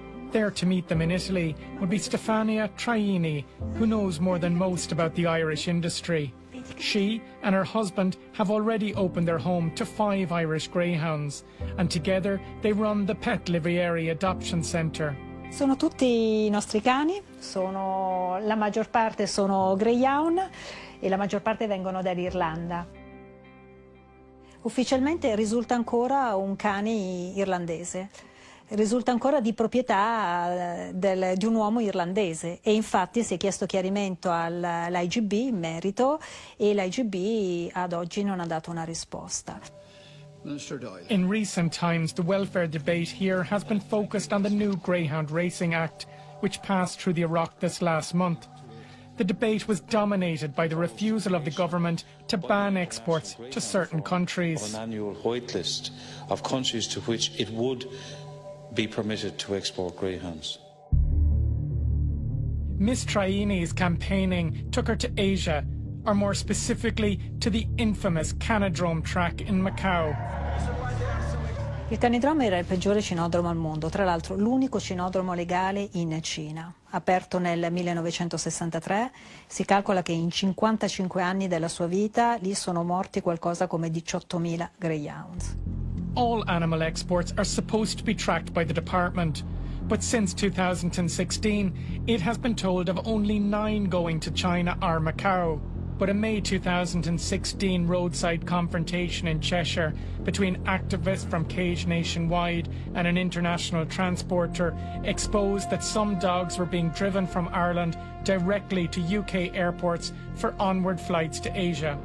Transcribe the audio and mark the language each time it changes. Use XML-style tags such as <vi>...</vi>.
<en>There to meet them in Italy would be Stefania Traini, who knows more than most about the Irish industry. She and her husband have already opened their home to 5 Irish greyhounds, and together they run the Pet Livieri Adoption Centre.</en> <it>Sono tutti I nostri cani, sono la maggior parte sono greyhound e la maggior parte vengono dall'Irlanda. Ufficialmente risulta ancora un cane irlandese. Risulta ancora di proprietà di un uomo irlandese e infatti si è chiesto chiarimento all'IGB in merito e l'IGB ad oggi non ha dato una risposta.</it> <en>In recent times the welfare debate here has been focused on the new Greyhound Racing Act which passed through the Iraq this last month. The debate was dominated by the refusal of the government to ban exports to certain countries. On an annual white list of countries to which it would be permitted to export greyhounds. Miss Traini's campaigning took her to Asia, or more specifically to the infamous Canadrome track in Macau.</en> <it>Il Canadrome era il peggiore cinodromo al mondo, tra l'altro l'unico cinodromo legale in Cina. Aperto nel 1963, si calcola che in 55 anni della sua vita lì sono morti qualcosa come 18.000 greyhounds.</it> <en>All animal exports are supposed to be tracked by the department, but since 2016, it has been told of only 9 going to China or Macau. But a May 2016 roadside confrontation in Cheshire between activists from Cage Nationwide and an international transporter exposed that some dogs were being driven from Ireland directly to UK airports for onward flights to Asia.</en>